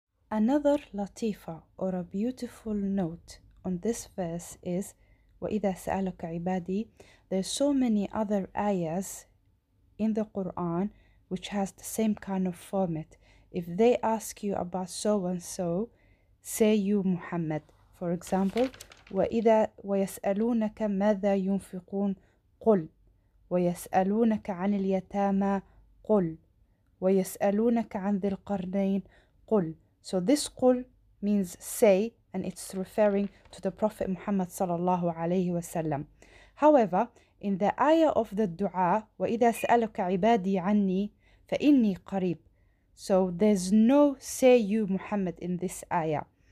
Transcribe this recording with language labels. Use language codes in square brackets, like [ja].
[en] Another latifa or a beautiful note on this verse is [ar] وَإِذَا سَأَلُكَ عِبَادِي. [en] There's so many other ayahs in the Quran which has the same kind of format. If they ask you about so and so, say you Muhammad. For example, [ar] وَإِذَا وَيَسْأَلُونَكَ مَاذَا يُنْفِقُونَ قُلْ وَيَسْأَلُونَكَ عَنِ الْيَتَامَى قُلْ وَيَسْأَلُونَكَ عَنْ ذِي الْقَرْنَيْنِ قُلْ. [en] So this قُلْ means say, and it's referring to the Prophet Muhammad sallallahu alayhi wa sallam. However, in the ayah of the dua, [ar] وَإِذَا سَأَلُكَ عِبَادِي عَنِّي فَإِنِّي قَرِيبٌ. [en] So there's no say you Muhammad in this ayah.